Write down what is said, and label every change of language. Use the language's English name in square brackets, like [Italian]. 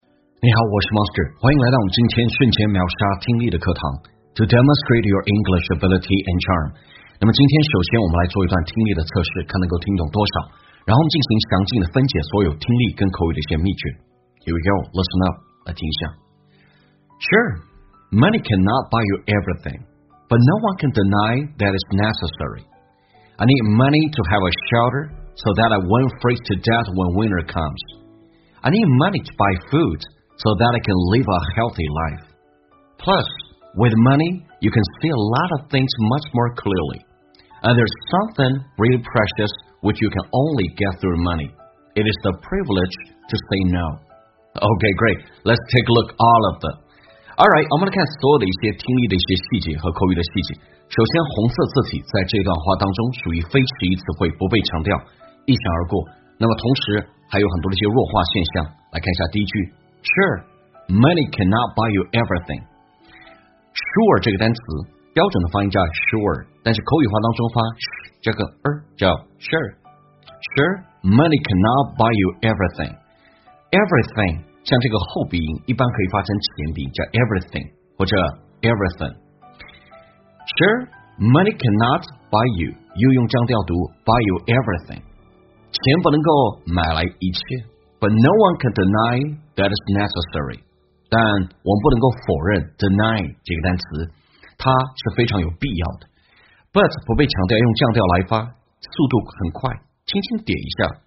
[Chinese] 你好，我是 Monster， 欢迎来到我们今天瞬间秒杀听力的课堂 [English] To demonstrate your English ability and charm。 [Chinese] 那么今天首先我们来做一段听力的测试，看能够听懂多少，然后我们进行详尽的分解所有听力跟口语的一些秘诀。 [English] Here we go, listen up, [Chinese] 来听一下。 [English] Sure, money cannot buy you everything, but no one can deny that it's necessary. I need money to have a shelter so that I won't freeze to death when winter comes. I need money to buy foodso that I can live a healthy life. Plus, with money, you can see a lot of things much more clearly. And there's something really precious which you can only get through money. It is the privilege to say no. Okay, great. Let's take a look at all of them. [Chinese] Alright, 我们来看所有的一些听力的一些细节和口语的细节。首先，红色字体在这段话当中属于非实义词汇，不被强调，一闪而过。那么同时还有很多的一些弱化现象。来看一下第一句。 [English] Sure, money cannot buy you everything. [Chinese] Sure 这个单词标准的发音叫 sure， 但是口语化当中发这个叫 sure。 [English] Sure, money cannot buy you everything. [Chinese] Everything 像这个后鼻音，一般可以发成前鼻音叫 everything 或者 everything。 [English] Sure, money cannot buy you， [Chinese] 又用这样调读 [English] buy you everything， [Chinese] 钱不能够买来一切。 [English] But no one can deny that is necessary. [Chinese] 但我们不能够否认 deny 这个单词，它是非常有必要的。 But 不被强调，用降调来发，速度很快，轻轻点一下。